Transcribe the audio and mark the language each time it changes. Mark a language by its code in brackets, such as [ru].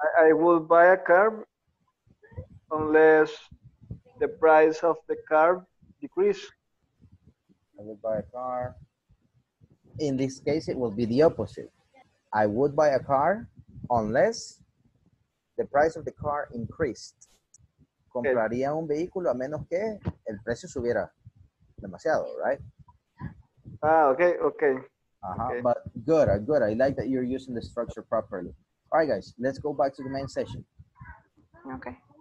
[en] I will buy a car unless the price of the car decreases. I will buy a car. In this case, it will be the opposite. I would buy a car unless the price of the car increased. [es] Compraría un vehículo a menos que el precio subiera demasiado, right? [en] Ah, okay, okay. Uh-huh. Okay. But good, good. I like that you're using the structure properly. All right, guys, let's go back to the main session. Okay.